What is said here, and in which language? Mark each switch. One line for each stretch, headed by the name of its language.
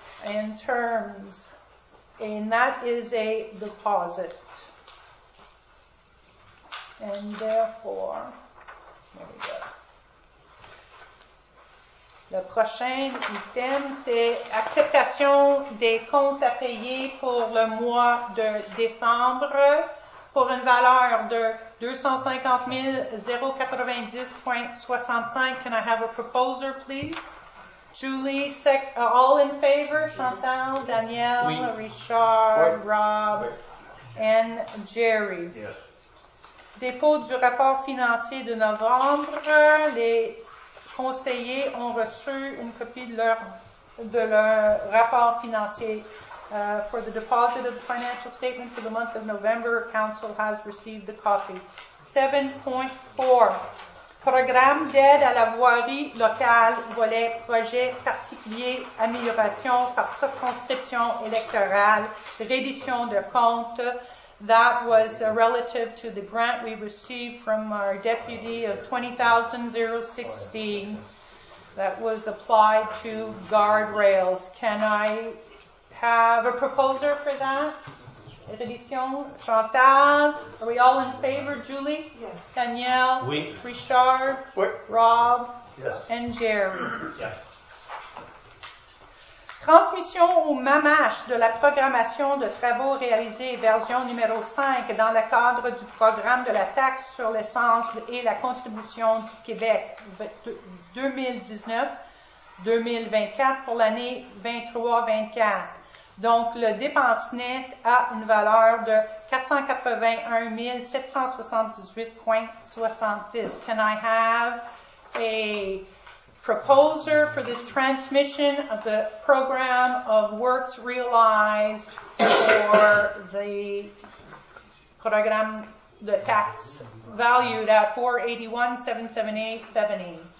English: In terms, and that is a deposit, and therefore, there we go.
French: Le prochain item, c'est acceptation des comptes à payer pour le mois de décembre pour une valeur de 250 090.65.
English: Can I have a proposer, please? Julie, all in favor, Chantal, Danielle,
French: oui.
English: Richard,
French: oui.
English: Rob,
French: oui.
English: And Jerry. Yes.
French: Dépôt du rapport financier de novembre. Les conseillers ont reçu une copie de leur rapport financier.
English: For the deposit of the financial statement for the month of November, council has received the copy. 7.4.
French: Programme d'aide à la voirie locale, volet projet particulier, amélioration par circonscription électorale, reddition de compte.
English: That was relative to the grant we received from our deputy of $20,016 that was applied to guardrails. Can I have a proposer for that? Reddition, Chantal, are we all in favor, Julie? Yes. Danielle?
French: Oui.
English: Richard?
French: Oui.
English: Rob? Yes. And Jerry? Yes.
French: Transmission au MAMACH de la programmation de travaux réalisés, version numéro 5, dans le cadre du programme de la taxe sur l'essence et la contribution du Québec 2019-2024 pour l'année 23-24. Donc, le dépense net a une valeur de 481 778.66.
English: Can I have a proposer for this transmission of the program of works realized for the program de taxe valued at 481 778 70?